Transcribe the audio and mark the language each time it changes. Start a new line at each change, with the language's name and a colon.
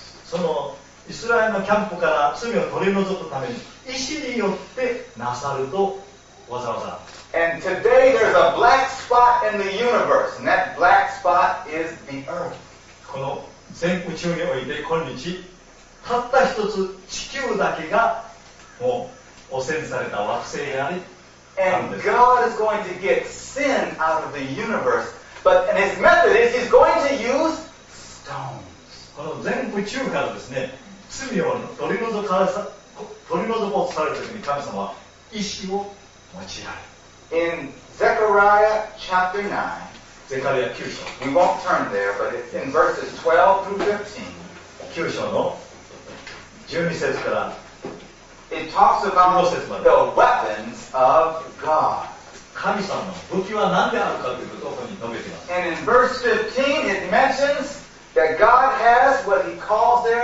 Japanese: そのイスラエルのキャンプから罪を取り除くために石によってなさるとわざわざ。
English: And today there's a black spot in the universe, and that black spot is the earth.
Japanese: この全宇宙において今日、たった一つ地球だけがもう汚染された惑星であり。
English: And God is going to get sin out of the universe, but in His method is He's going to use stone.
Japanese: この全宇宙からですね、罪を取り除こうとされるときに神様は石を用いられる。
English: In Zechariah chapter 9,
Japanese: ゼカリア9章。
English: We won't turn there, but it's in verses 12 through 15.
Japanese: 9章の12節から
English: It talks about
Japanese: 15節まで。
English: The weapons of God.
Japanese: 神様の武器は何であるかということをここに述べています。
English: And in verse 15, it mentions that God has what he calls